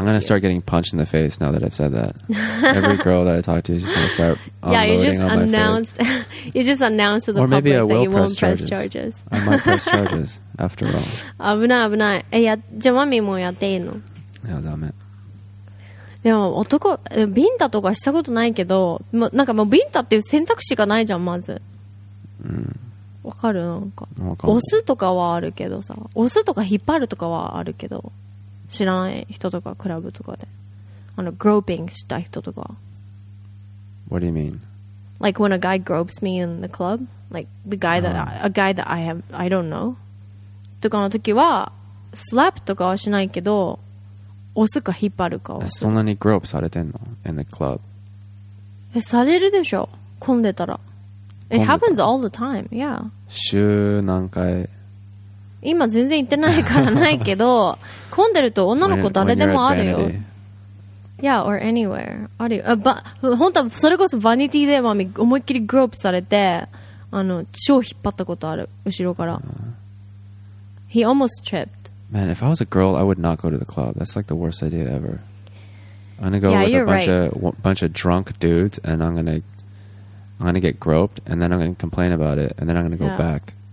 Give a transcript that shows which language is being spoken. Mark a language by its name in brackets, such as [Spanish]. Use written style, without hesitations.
[English] I'm gonna start getting punched in the face now that I've said that. Every girl that I talk to is just gonna start unloading on my face. Yeah, you just announced. You just announced to the public that you won't press charges. I might press charges after all. [Japanese] 危ない危ない。え、や、じゃあマミもやっていいの？いやダメ。でも男ビンタとかしたことないけど、ま、なんかもうビンタっていう選択肢がないじゃんまず。わかる、なんか押すとかはあるけどさ、押すとか引っ張るとかはあるけど、知らない人とかクラブとかで、あのグローピングした人とか。 [English] What do you mean? Like when a guy gropes me in the club, like the guy that a guy that I have, I don't know. [Japanese] とかの時はスラップとかはしないけど、押すか引っ張るかは。そんなにグロープされてんの [English] in the club? [Japanese] え、されるでしょ、混んでたら。 [English] It happens all the time, yeah. [Japanese] 週何回？今全然行ってないからないけど、混んでると女の子誰でもあるよ。 [English] Yeah, or anywhere. [Japanese] あるよ。本当はそれこそバニティでマミ思いっきりグロープされて、あの超引っ張ったことある後ろから。 [English] He almost tripped. Man, if I was a girl, I would not go to the club. That's like the worst idea ever. I'm gonna go with a bunch of drunk dudes, and I'm gonna get groped, and then I'm gonna complain about it, and then I'm gonna go back.